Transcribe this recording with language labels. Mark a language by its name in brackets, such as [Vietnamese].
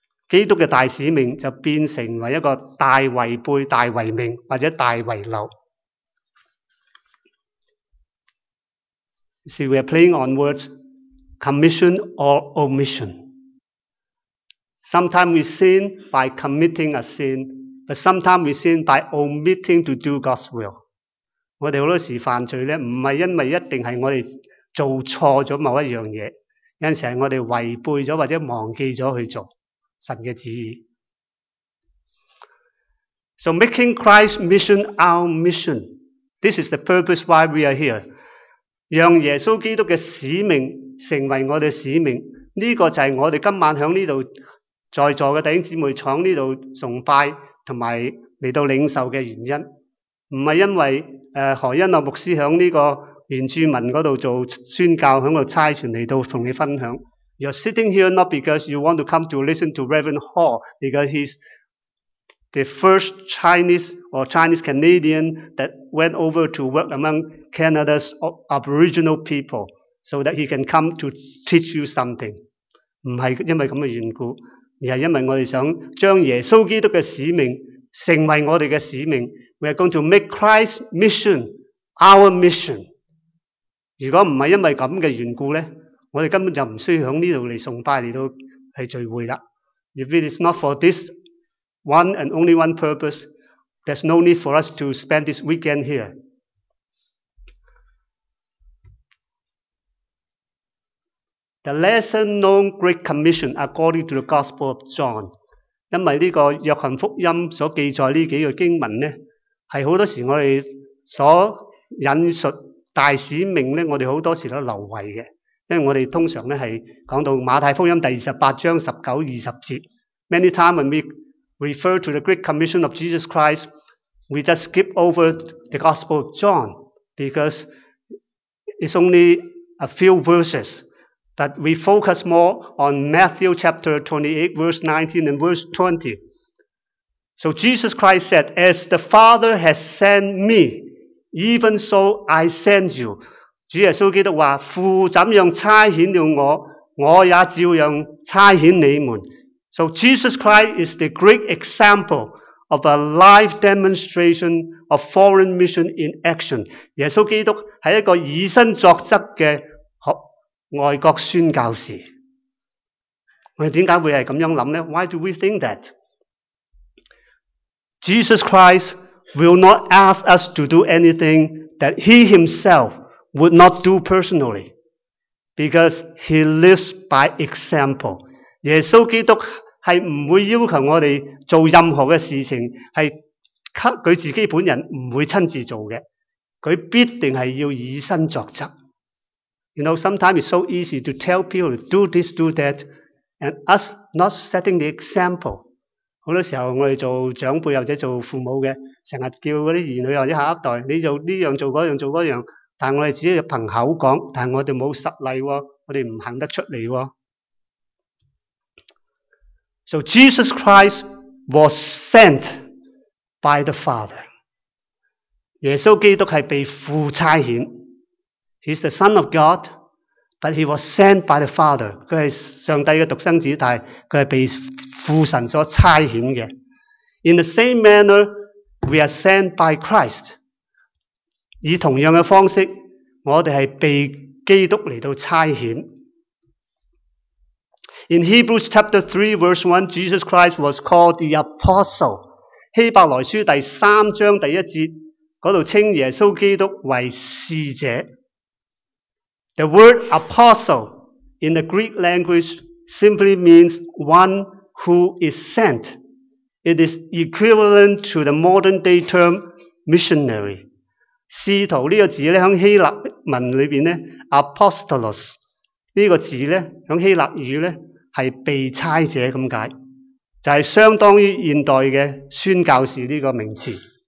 [Chinese] 基督的大使命就变成了一个大违背、大违命或者大违漏。 [English] See, we are playing on words, commission or omission. Sometimes we sin by committing a sin, but sometimes we sin by omitting to do God's will. [Chinese] 我们很多时候犯罪呢，不是因为一定是我们做错了某一样东西，有时候我们违背了或者忘记了去做神的旨意。 [English] So making Christ's mission our mission. This is the purpose why we are here. [Chinese] 让耶稣基督的使命成为我们的使命，这个就是我们今晚在这里在座的弟兄姊妹坐在这里崇拜和来到领受的原因。不是因为何恩乐牧师在这个原住民那里做宣教，在那里差传来到和你分享。 [English] You're sitting here not because you want to come to listen to Reverend Hall, because he's the first Chinese or Chinese Canadian that went over to work among Canada's Aboriginal people so that he can come to teach you something. [Chinese] 不是因为这样的缘故，而是因为我们想将耶稣基督的使命成为我们的使命。 [English] We are going to make Christ's mission our mission. [Chinese] 如果不是因为这样的缘故呢，我们根本就不需要在这里来崇拜，来到聚会了。 [English] If it is not for this one and only one purpose, there's no need for us to spend this weekend here. 《The lesser known Great Commission according to the Gospel of John》， [Chinese] 因为这个约翰福音所记载这几个经文呢，是很多时候我们所引述大使命呢，我们很多时候都流遗的。因为我们通常是讲到马太福音第28章19、20节。 [English] Many times when we refer to the Great Commission of Jesus Christ, we just skip over the Gospel of John because it's only a few verses. But we focus more on Matthew chapter 28, verse 19 and verse 20. So Jesus Christ said, As the Father has sent me, even so I send you. [Chinese] 主耶稣基督说，父怎样差遣了我，我也照样差遣你们。 [English] So Jesus Christ is the great example of a live demonstration of foreign mission in action. [Chinese] 耶稣基督是一个以身作则的外国宣教士。我们为什么会这样想呢？ [English] Why do we think that? Jesus Christ will not ask us to do anything that he himselfwould not do personally, because he lives by example. [Chinese] 耶稣基督是不会要求我们做任何的事情，是他自己本人不会亲自做的。他必定是要以身作则。 [English] You know, sometimes it's so easy to tell people to do this, do that, and us not setting the example. [Chinese] 很多时候我们做长辈或者做父母的，经常叫那些儿女或者下一代，你做这样做那样做那样，但我们只是凭口讲，但我们没有实例，我们不行得出来。 [English] So Jesus Christ was sent by the Father. [Chinese] 耶稣基督是被父差遣。 [English] He's the Son of God, but he was sent by the Father. [Chinese] 他是上帝的独生子，但他是被父神所差遣的。 [English] In the same manner, we are sent by Christ. [Chinese] 以同样的方式，我们是被基督来到差遣。 [English] In Hebrews chapter 3 verse 1, Jesus Christ was called the apostle. [Chinese] 希伯来书第三章第一节，那里称耶稣基督为使者。 [English] The word apostle in the Greek language simply means one who is sent. It is equivalent to the modern day term missionary. [Chinese] 使徒这个字呢，在希腊文里面呢 ,apostolos, 这个字呢，在希腊语呢是被差者，这解就是相当于现代的宣教士这个名词。